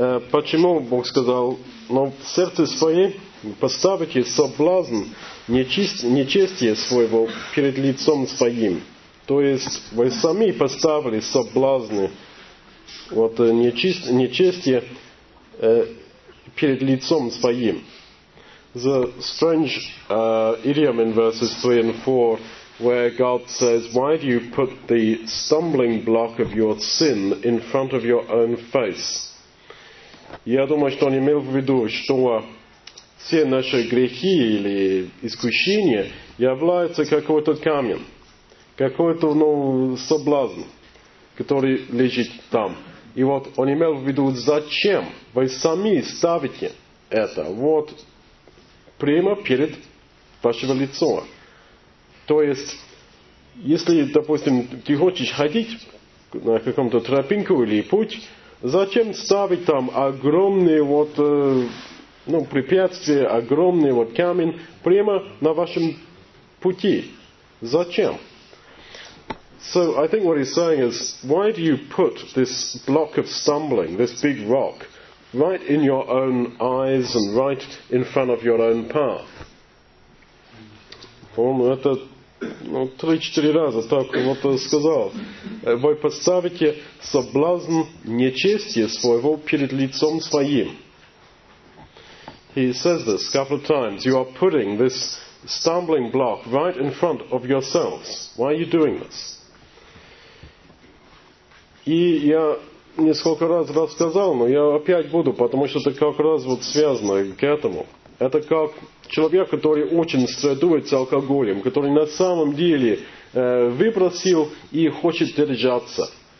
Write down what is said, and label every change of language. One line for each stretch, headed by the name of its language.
Russian: Почему Бог сказал, но в сердце свое поставите соблазн нечестие своего перед лицом своим. То есть вы сами поставили соблазны вот, нечестие перед лицом своим.
English: The strange idiom in verses 3 and 4 where God says, why do you put the stumbling block of your sin in front of your own face?
Russian: Я думаю, что он имел в виду, что все наши грехи или искушения являются какой-то камнем, какой-то соблазн, который лежит там. И вот он имел в виду, зачем вы сами ставите это вот прямо перед вашего лицом. То есть, если, допустим, ты хочешь ходить на каком-то тропинку или путь, зачем ставить там огромные вот, препятствия, огромный вот камень прямо на вашем пути? Зачем?
English: So I think what he's saying is, why do you put this block of stumbling, this big rock, right in your own eyes and right in front of your own path?
Russian: Он это 3-4 раза так вот сказал. Вы поставите соблазн нечестия своего перед лицом своим.
English: He says this a couple of times. You are putting this stumbling block right in front of yourselves. Why are you doing this?
Russian: И я несколько раз рассказал, но я опять буду, потому что это как раз вот связано к этому. Это как человек, который очень страдает с алкоголем, который на самом деле выбросил и хочет держаться.